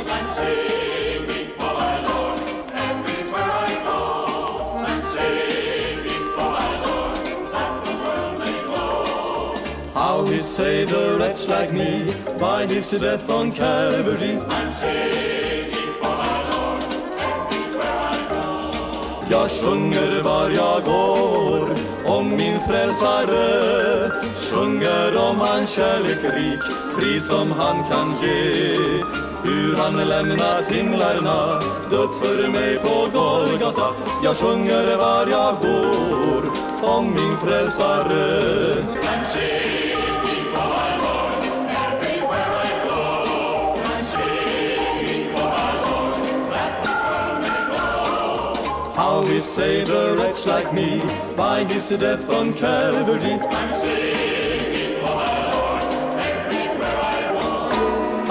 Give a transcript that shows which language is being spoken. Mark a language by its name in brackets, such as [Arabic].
[English] I'm singing for my Lord everywhere I go. I'm singing for my Lord that the world may know. How he saved a wretch like me by his death on Calvary. I'm singing for my Lord everywhere I go. [Swedish] Jag sjunger var jag går om min frälsare, sjunger om hans kärlek rik, fri som han kan ge. Hur han lämnat himlarna, dött för mig på Golgata. Jag sjunger var jag går om min frälsare. [English] I'm singing for my Lord everywhere I go. I'm singing for my Lord that the world may know. How he saved a wretch like me by his death on Calvary. I'm singing for my Lord everywhere I go.